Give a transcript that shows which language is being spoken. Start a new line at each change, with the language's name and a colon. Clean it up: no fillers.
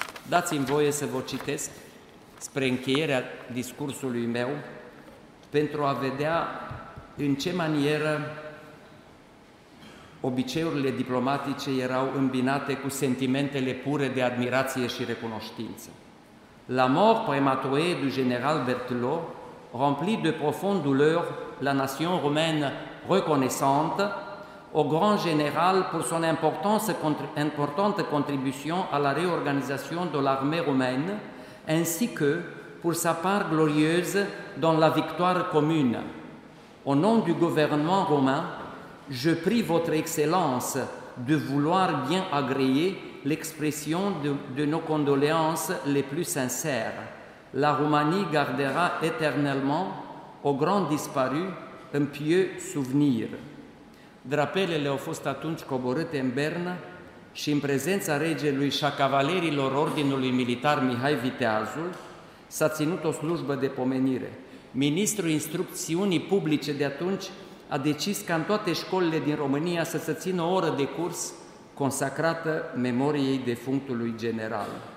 Romanian: Dați-mi voie să vă citesc spre încheierea discursului meu, pentru a vedea în ce manieră obiceiurile diplomatice erau îmbinate cu sentimentele pure de admirație și recunoștință.
French: La mort prématurée du général Berthelot, remplie de profonde douleur la nation romaine reconnaissante au grand général pour son importante contribution à la réorganisation de l'armée romaine, ainsi que pour sa part glorieuse dans la victoire commune. Au nom du gouvernement romain, je prie votre excellence de vouloir bien agréer l'expression de nos condoléances les plus sincères. La Roumanie gardera éternellement au grand disparu un pieux souvenir.
Romanian: Drapelele au fost atunci coborâte în Bernă și în prezența regelui și a cavalerilor Ordinului Militar Mihai Viteazul s-a ținut o slujbă de pomenire. Ministrul Instrucțiunii Publice de atunci a decis ca în toate școlile din România să se țină o oră de curs consacrată memoriei defunctului general.